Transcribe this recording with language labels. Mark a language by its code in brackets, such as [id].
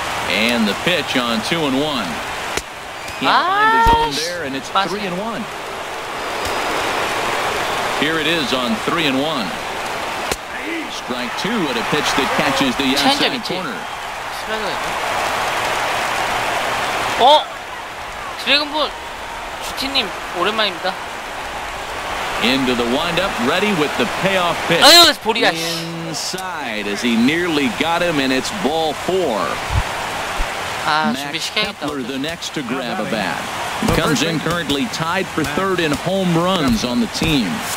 [en] And the pitch on 2-1. Can't find his own there, and it's 3-1. Here it is on 3-1. Strike two at a pitch that catches the outside corner. [ko] 어? 드래곤볼 주티님 오랜만입니다. [en] Into the windup, ready with the payoff pitch. [ko] 아유, 이거 볼이야. [en] Inside as he nearly got him, and it's ball four. [ko] 아, 준비시켜야겠다. [en] Kepler, the next to grab a bat. He comes in currently tied for third in home runs on the team.